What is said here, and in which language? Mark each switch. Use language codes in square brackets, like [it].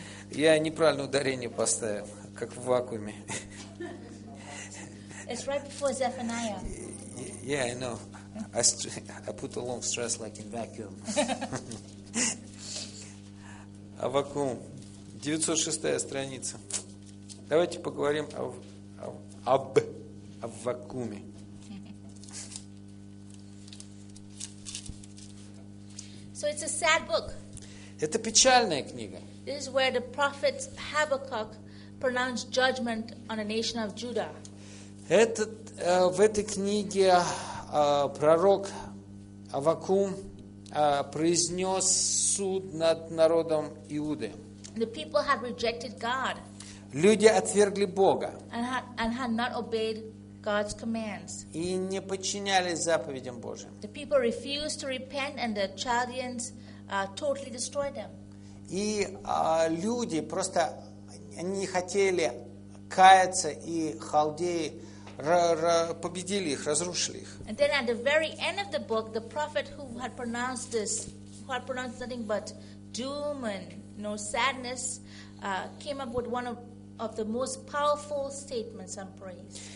[ru] Я неправильное ударение поставил, как в вакууме. [en] It's right before Zephaniah. Yeah, I know. I put a long stress like in vacuum. [ru] Аввакум. 906-я страница. Давайте поговорим об Аввакуме. [en] So it's a sad book. [ru] Это печальная книга. [en] This is where the prophet Habakkuk pronounced judgment on a nation of Judah. [ru] Этот, в этой книге пророк Аввакум произнес суд над народом Иуды. [en] The people had rejected God. [ru] Люди отвергли Бога. [en] And had not obeyed God's commands. [ru] И не подчинялись заповедям Божьим. [en] The people refused to repent, and the Chaldeans totally destroyed them. [ru] И люди просто не хотели каяться, и халдеи победили их, разрушили их. [en] And then at the very end of the book, the prophet who had pronounced this, who had pronounced nothing but doom and sadness, came up with one of the most powerful statements and praise.